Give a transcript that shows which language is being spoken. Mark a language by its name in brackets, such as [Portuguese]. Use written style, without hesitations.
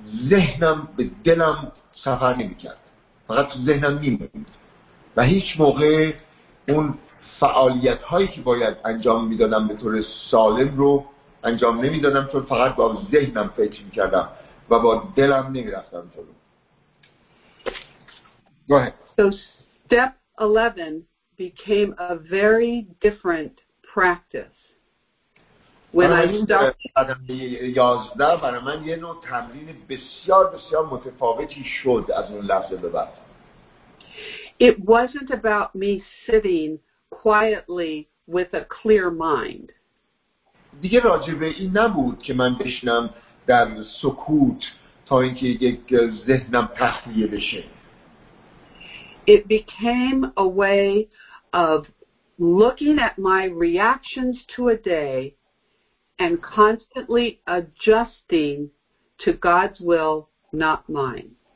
[Persian] ذهنم به دلم سفر نمی کرد، فقط ذهنم می موند و هیچ موقع اون فعالیت هایی که باید انجام می دادم به طور سالم رو انجام نمی دادم، چون فقط با ذهنم فکر می کردم و با دلم نمی رفتم. [English] So step 11 became a very different practice. When I started at 11 [Persian] برای من یه نوع تمرین بسیار بسیار متفاوتی شد از اون لحظه به بعد. [English] It wasn't about me sitting quietly with a clear mind. [Persian] دیگه راجع به این نبود که من بشنم در سکوت تا اینکه یک ذهنم تخلیه بشه. [English] It became a way of looking at my reactions to a day and constantly adjusting to God's will, not mine.